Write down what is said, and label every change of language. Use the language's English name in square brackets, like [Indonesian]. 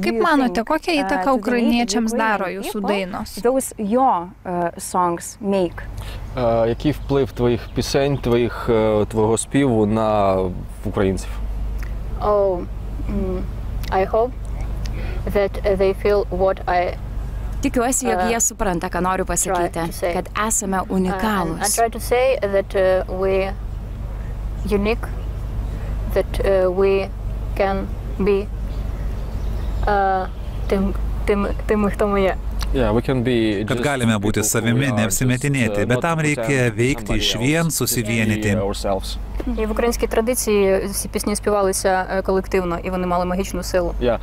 [Lithuanian] kaip manote, kokią įtaką ukrainiečiams daro jūsų dainos? [English] Those your songs make. [Ukrainian] Які вплив твоїх пісень, твоїх твого співу на українців? [English] Oh, I hope that they feel what I [Lithuanian] tikiuosi, jog jie supranta, ką noriu pasakyti, kad esame unikalūs. [English] I try to say that we unique, that we can be [Ukrainian] tim hto moje. [English] Yeah, we can be [Lithuanian] kad galime būti savimi, neapsimetinėti, bet tam reikia veikti iš vien, susivienyti. [Ukrainian] І в українській традиції всі пісні співалися колективно, і вони мали магічну силу.